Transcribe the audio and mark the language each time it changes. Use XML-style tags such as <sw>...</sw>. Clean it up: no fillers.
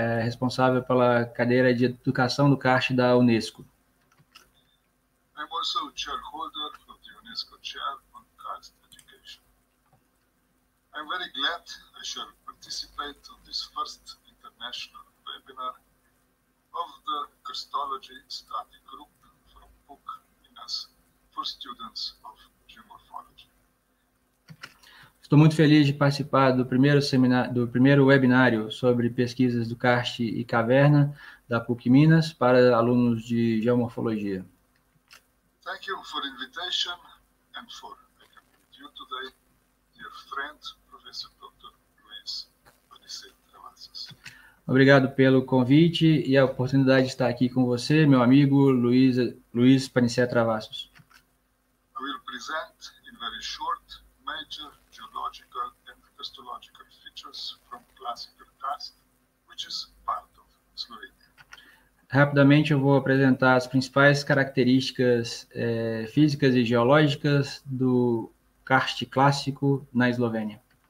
<pt>responsável pela cadeira de educação do CARCH da Unesco.</pt> <en>I'm also chairholder of the UNESCO Chair on CARCH Education. I'm very glad I shall participate in this first international webinar of the Christology Study Group from PUC Minas for students of geomorphology.</en> <pt>Estou muito feliz de participar do primeiro seminário, do primeiro webinário sobre pesquisas do CARCH e caverna da PUC Minas para alunos de geomorfologia.</pt> <en>Thank you for the invitation and for welcoming you today, dear friend, Professor Dr. Luiz Travassos.</en> <pt>Obrigado pelo convite e a oportunidade de estar aqui com você, meu amigo Luiz Panicea Travassos. I will present in very short major geological and crystallogical features from classical karst, which is part of Slovenia. Rapidamente eu vou apresentar as principais características físicas e geológicas do karst clássico na Eslovênia.</pt>